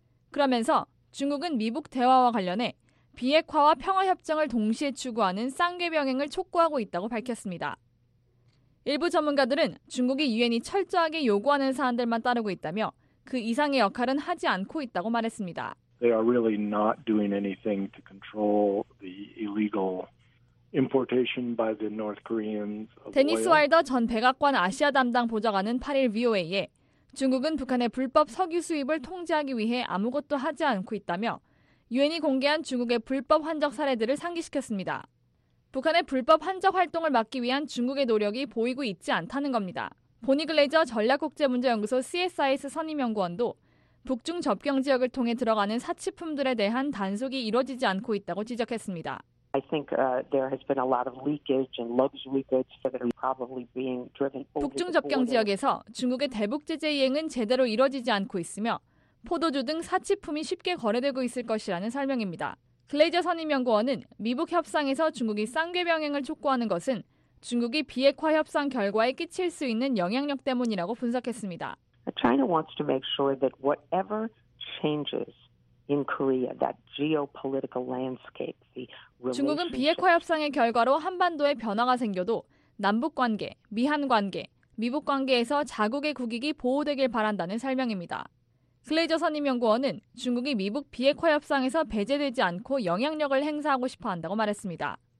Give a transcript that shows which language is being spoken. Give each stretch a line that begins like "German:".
Korean: 그러면서 중국은 미북 대화와 관련해 비핵화와 평화협정을 동시에 추구하는 쌍계 병행을 촉구하고 있다고 밝혔습니다. 일부 전문가들은 중국이 유엔이 철저하게 요구하는 사안들만 따르고 있다며 그 이상의 역할은 하지 않고 있다고 말했습니다.
English: They are really not doing anything to control the illegal importation by the North Koreans.
Korean: 데니스 와일더 전 백악관 아시아 담당 보좌관은 8일 VOA에 중국은 북한의 불법 석유 수입을 통제하기 위해 아무것도 하지 않고 있다며 유엔이 공개한 중국의 불법 환적 사례들을 상기시켰습니다. 북한의 불법 환적 활동을 막기 위한 중국의 노력이 보이고 있지 않다는 겁니다. 보니 글레이저 전략국제문제연구소 CSIS 선임연구원도 북중 접경 지역을 통해 들어가는 사치품들에 대한 단속이 이루어지지 않고 있다고 지적했습니다.
English: I think there has been a lot of leakage and luxury goods that are probably being driven.
Korean: 북중 접경 지역에서 중국의 대북 제재 이행은 제대로 이루어지지 않고 있으며 포도주 등 사치품이 쉽게 거래되고 있을 것이라는 설명입니다. 글레이저 선임연구원은 미북 협상에서 중국이 쌍계 병행을 촉구하는 것은 중국이 비핵화 협상 결과에 끼칠 수 있는 영향력 때문이라고 분석했습니다.
English: China wants to make sure that whatever changes in Korea, that geopolitical landscape, the relationship.
Korean: 중국은 비핵화 협상의 결과로 한반도에 변화가 생겨도 남북 관계, 미한 관계, 미북 관계에서 자국의 국익이 보호되길 바란다는 설명입니다. 글레이저 선임연구원은 중국이 미북 비핵화 협상에서 배제되지 않고 영향력을 행사하고 싶어 한다고 말했습니다.